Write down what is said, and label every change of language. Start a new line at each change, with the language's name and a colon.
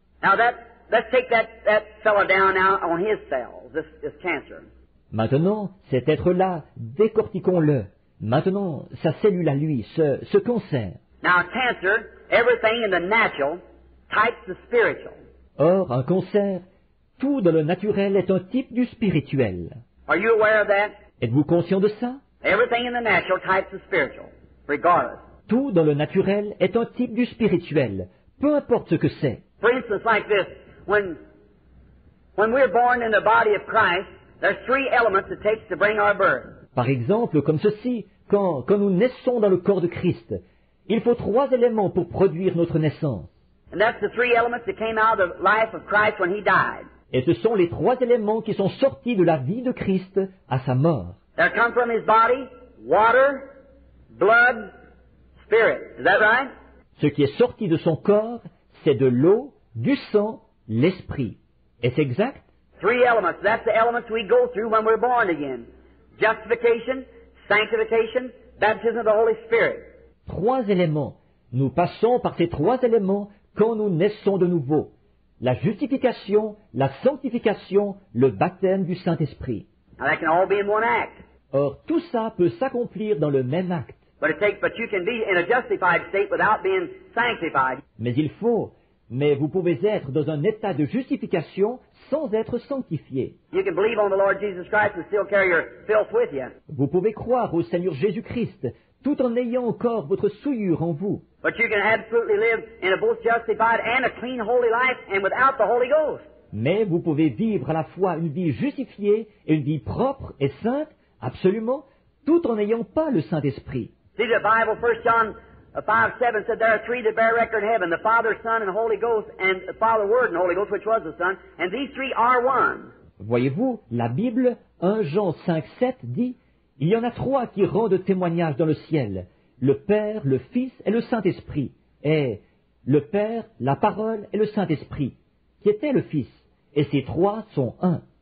English: Now let's take that fellow down now on his cells, this cancer.
French: Maintenant, cet être-là, décortiquons-le. Maintenant, sa cellule à lui, ce cancer.
English: Now, cancer, everything in the natural types the spiritual.
French: Or, un cancer, tout dans le naturel est un type du spirituel.
English: Are you aware of that?
French: Êtes-vous conscient de ça?
English: Everything in the natural types the spiritual, regardless.
French: Tout dans le naturel est un type du spirituel, peu importe ce que c'est.
English: For instance, like this. When we're born in the body of Christ, there's three elements it takes to bring our birth.
French: Par exemple, comme ceci, quand nous naissons dans le corps de Christ, il faut trois éléments pour produire notre naissance.
English: And that's the three elements that came out of the life of Christ when he died.
French: Et ce sont les trois éléments qui sont sortis de la vie de Christ à sa mort.
English: They come from his body, water, blood, spirit. Is that right?
French: Ce qui est sorti de son corps, c'est de l'eau, du sang, l'esprit. Est-ce exact?
English: Three elements. That's the elements we go through when we're born again. Justification, sanctification, baptism of the Holy Spirit.
French: Trois éléments. Nous passons par ces trois éléments quand nous naissons de nouveau. La justification, la sanctification, le baptême du Saint-Esprit.
English: Now that can all be in one act.
French: Or, tout ça peut s'accomplir dans le même acte.
English: But you can be in a justified state without being sanctified.
French: Mais vous pouvez être dans un état de justification sans être sanctifié.
English: You can believe on the Lord Jesus Christ and still carry your filth with you.
French: Vous pouvez croire au Seigneur Jésus-Christ tout en ayant encore votre souillure en vous.
English: But you can absolutely live in a both justified and a clean holy life and without the Holy Ghost.
French: Mais vous pouvez vivre à la fois une vie justifiée et une vie propre et sainte, absolument, tout en n'ayant pas le Saint-Esprit.
English: See the Bible, 1 John 5:7 said there are three that bear record in heaven, the Father, Son, and Holy Ghost, and the Father, Word, and Holy Ghost, which was the Son, and these three are one.
French: Voyez-vous, la Bible, 1 Jean 5:7 dit, il y en a trois qui rendent témoignage dans le ciel, le Père, le Fils et le Saint-Esprit. est le Père, la Parole et le Saint-Esprit, qui était le Fils. Et ces trois sont un.